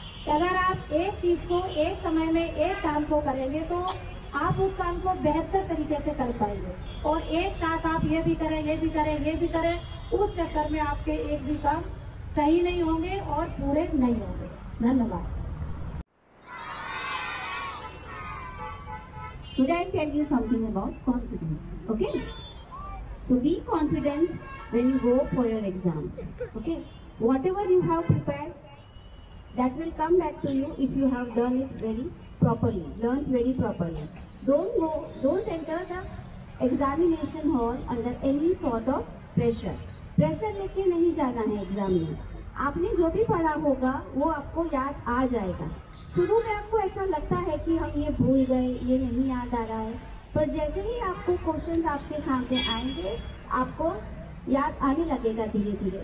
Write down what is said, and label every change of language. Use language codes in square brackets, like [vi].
[hi] अगर आप एक चीज़ को एक समय में एक काम को करेंगे तो आप उस काम को बेहतर तरीके से कर पाएंगे। और एक साथ आप ये भी करें ये भी करें ये भी करें, उस चक्कर में आपके एक भी काम सही नहीं होंगे और पूरे नहीं होंगे। धन्यवाद। [en] Today I tell you something about confidence. Okay? So be confident when you go for your exam. Okay? Whatever you have prepared, that will come back to you if you have done it very properly, learned very properly. Don't enter the examination hall under any sort of pressure. [hi] Pressure लेके नहीं जाना है exam में। आपने जो भी पढ़ा होगा वो आपको याद आ जाएगा। शुरू में आपको ऐसा लगता है कि हम ये भूल गए, ये नहीं याद आ रहा है, पर जैसे ही आपको क्वेश्चंस आपके सामने आएंगे आपको याद आने लगेगा धीरे धीरे।